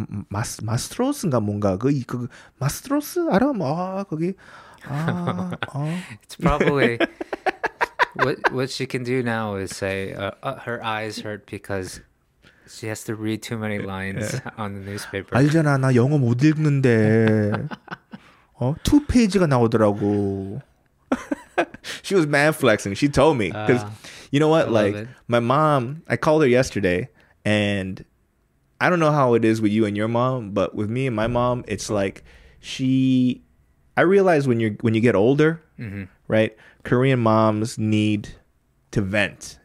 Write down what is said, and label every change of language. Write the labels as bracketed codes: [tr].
[ko] 마스트로스인가 뭔가 그 마스트로스 알아? 아 거기. [en] It's probably what she can do now is say her eyes hurt because she has to read too many lines on the newspaper. [ko] 알잖아 나 영어 못 읽는데 [en] two [ko] 페이지가 나오더라고. [en] She was mad flexing. She told me because you know what, like my mom, I called her yesterday, and I don't know how it is with you and your mom, but with me and my mom, it's like I realize when you get older, right, Korean moms need to vent.